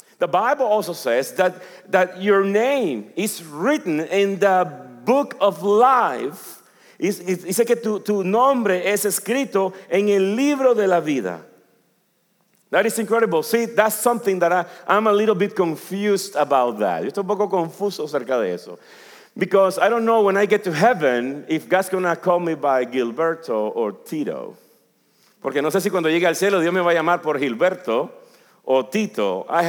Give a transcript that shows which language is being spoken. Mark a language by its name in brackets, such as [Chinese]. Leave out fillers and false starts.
[English] The Bible also says that your name is written in the book of life. [Spanish] Dice que tu nombre es escrito en el libro de la vida. [English] That is incredible. See, that's something that I'm a little bit confused about that. [Spanish] Yo estoy un poco confuso acerca de eso. [English] Because I don't know when I get to heaven if God's going to call me by Gilberto or Tito. [Spanish] Porque no sé si cuando llegue al cielo Dios me va a llamar por Gilberto o Tito.